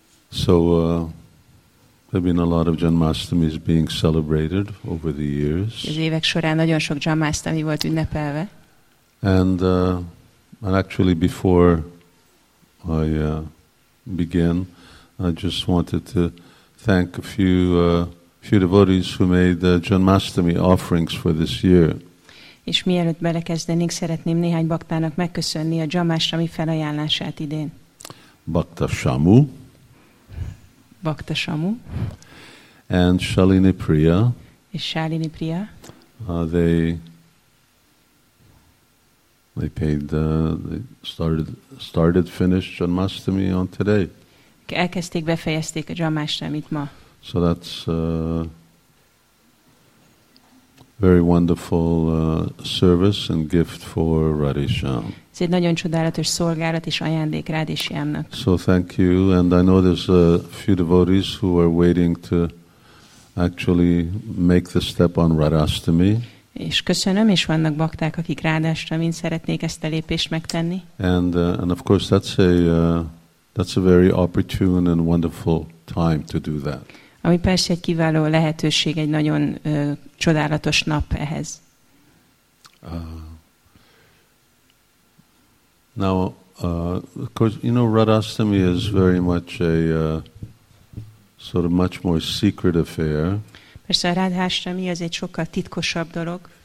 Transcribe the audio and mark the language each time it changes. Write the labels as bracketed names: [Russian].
[English] So there've been a lot of Janmashtamis being celebrated over the years. [Hungarian] Az évek során nagyon sok Janmashtami volt ünnepelve. [English] And actually, before I begin, I just wanted to thank a few devotees who made Janmashtami offerings for this year. [Hungarian] És mielőtt belekezdenénk, szeretném néhány baktának megköszönni a Janmashtami felajánlását idén. [English] Bakta Shamu. [Hungarian] Bakta Shamu. [English] And Shalini Priya. [Hungarian] És Shalini Priya. [English] They paid. They started, finished Janmashtami on today. [Hungarian] Elkezdték, befejezték a Janmashtamit ma. [English] So that's very wonderful service and gift for Radhisham. [Hungarian] Ez egy nagyon csodálatos szolgálat és ajándék Radhisham-nak. [English] So thank you, and I know there's a few devotees who are waiting to actually make the step on Radhashtami. [Hungarian] És köszönöm, és vannak bakták, akik Radhashtamin szeretnék ezt a lépést megtenni. [English] And of course that's a very opportune and wonderful time to do that. [Hungarian] Ami persze egy kiváló lehetőség, egy nagyon csodálatos nap ehhez. [English] Now of course you know Radhashtami is very much a sort of much more secret affair. [Hungarian] Persze a Radhashtami az egy sokkal titkosabb dolog.